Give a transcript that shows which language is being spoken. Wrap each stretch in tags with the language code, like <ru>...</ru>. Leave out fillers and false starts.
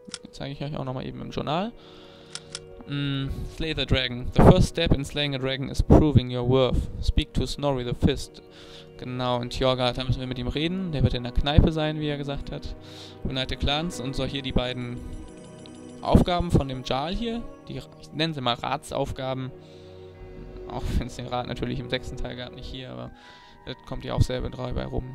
<de>Zeige ich euch auch nochmal eben im Journal.</de> <en>Slay the dragon. The first step in slaying a dragon is proving your worth. Speak to Snorri the Fist.</en> <de>Genau, und Thorgard, da müssen wir mit ihm reden. Der wird in der Kneipe sein, wie er gesagt hat. United Clans und so hier die beiden Aufgaben von dem Jarl hier. Die, ich nenne sie mal Ratsaufgaben. Auch wenn es den Rat natürlich im sechsten Teil gab, nicht hier, aber das kommt ja auch selber drei bei rum.</de>